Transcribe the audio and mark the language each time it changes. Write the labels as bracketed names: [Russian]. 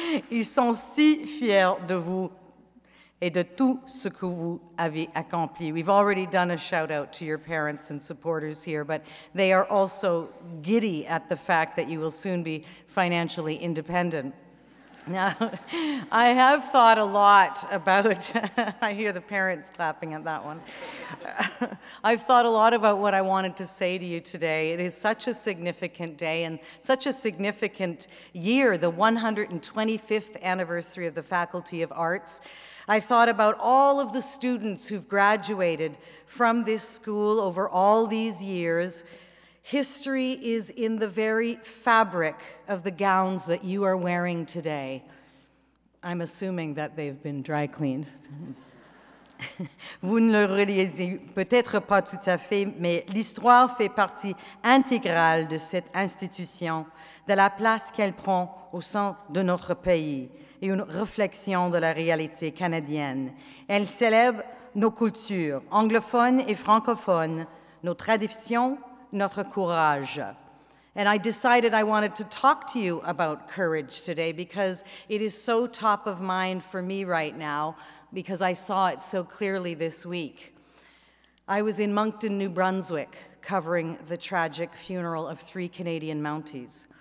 [French] Ils sont si fiers de vous et de tout ce que vous avez accompli. [English] We've already done a shout out to your parents and supporters here, but they are also giddy at the fact that you will soon be financially independent. Now, I have thought a lot about, I hear the parents clapping at that one. I've thought a lot about what I wanted to say to you today. It is such a significant day and such a significant year, the 125th anniversary of the Faculty of Arts. I thought about all of the students who've graduated from this school over all these years. History is in the very fabric of the gowns that you are wearing today. I'm assuming that they've been dry cleaned. [French] Vous ne le réalisez peut-être pas tout à fait, mais l'histoire fait partie intégrale de cette institution, de la place qu'elle prend au sein de notre pays. Et une réflexion de la réalité canadienne. Elle célèbre nos cultures, anglophones et francophones, nos traditions, notre courage. [English] And I decided I wanted to talk to you about courage today because it is so top of mind for me right now because I saw it so clearly this week. I was in Moncton, New Brunswick, covering the tragic funeral of three Canadian Mounties.